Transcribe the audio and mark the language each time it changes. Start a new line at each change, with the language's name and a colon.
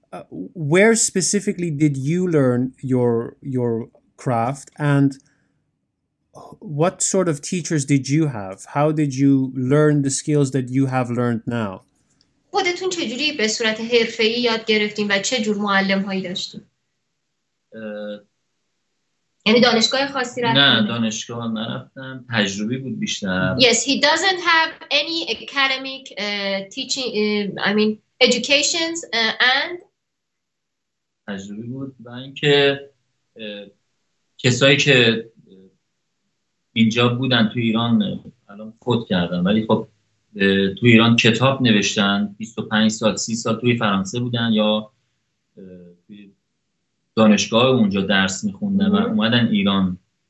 English: Where specifically did you learn your craft, and what sort of teachers did you have? How did you learn the skills that you have learned now?
Persian: خودتون چجوری به صورت حرفه‌ای یاد گرفتین و چه جور معلم‌هایی داشتین؟ یعنی دانشگاه خاصی رفتین؟ نه، دانشگاه نرفتم، تجربی بود بیشتر.
English: Yes, he doesn't have any academic teaching educations and
Persian: تجربی بود، و اینکه کسایی که اینجا بودن تو ایران الان فوت کردن، ولی خب تو ایران کتاب نوشتن، 25 سال 30 سال توی فرانسه بودن یا توی دانشگاه اونجا درس می‌خوندن و اومدن ایران،